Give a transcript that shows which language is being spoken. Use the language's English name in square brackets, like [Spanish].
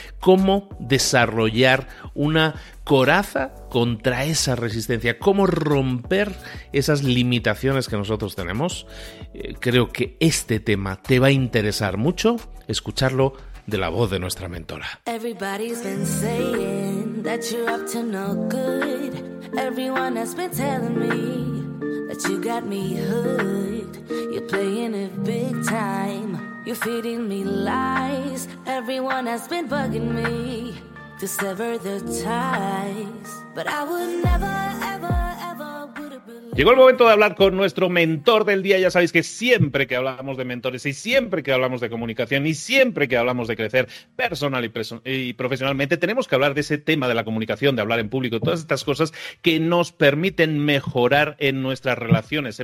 [Spanish] ¿Cómo desarrollar una coraza contra esa resistencia? ¿Cómo romper esas limitaciones que nosotros tenemos? Creo que este tema te va a interesar mucho escucharlo de la voz de nuestra mentora. [English] Everybody's been saying that you're up to no good. Everyone has been telling me that you got me hooked. You're playing it big time. You're feeding me lies. Everyone has been bugging me to sever the ties. But I would never, ever. [Spanish] Llegó el momento de hablar con nuestro mentor del día. Ya sabéis que siempre que hablamos de mentores y siempre que hablamos de comunicación y siempre que hablamos de crecer personal y profesionalmente, tenemos que hablar de ese tema de la comunicación, de hablar en público, todas estas cosas que nos permiten mejorar en nuestras relaciones.